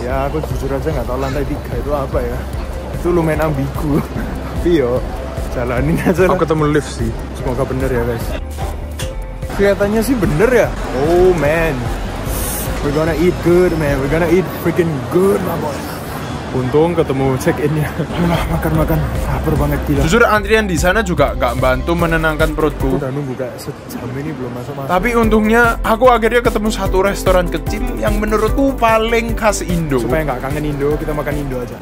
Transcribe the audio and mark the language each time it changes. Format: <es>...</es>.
<id>Ya, aku jujur aja nggak tahu lantai 3 itu apa ya. Itu lumayan ambigu. Tapi yo, jalanin aja lah. Aku ketemu lift sih. Semoga bener ya, guys. Kelihatannya sih bener ya.</id> <en>Oh, man. We're gonna eat good, man. We're gonna eat freaking good, my boy.</en> <id>Untung ketemu check-innya. Aduh, makan-makan. Laper banget, gila. Jujur, antrian di sana juga gak bantu menenangkan perutku. Udah nunggu kayak sejam ini belum masuk-masuk. Tapi untungnya, aku akhirnya ketemu satu restoran kecil yang menurutku paling khas Indo. Supaya gak kangen Indo, kita makan Indo aja.</id>